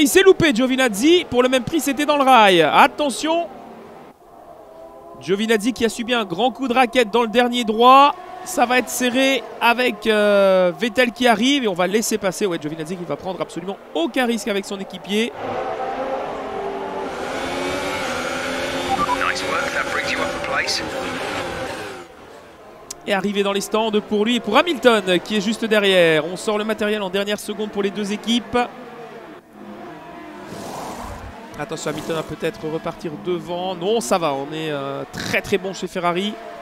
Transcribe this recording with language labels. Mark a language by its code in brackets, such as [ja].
[fr] Il s'est loupé, Giovinazzi, pour le même prix, c'était dans le rail. Attention, Giovinazzi qui a subi un grand coup de raquette dans le dernier droit. Ça va être serré avec Vettel qui arrive et on va laisser passer. Ouais, Giovinazzi qui ne va prendre absolument aucun risque avec son équipier. [en] Nice work, that brings you up the place. [fr] Et arrivé dans les stands pour lui et pour Hamilton qui est juste derrière. On sort le matériel en dernière seconde pour les deux équipes. Attention, Hamilton va peut-être repartir devant. Non, ça va, on est très très bon chez Ferrari.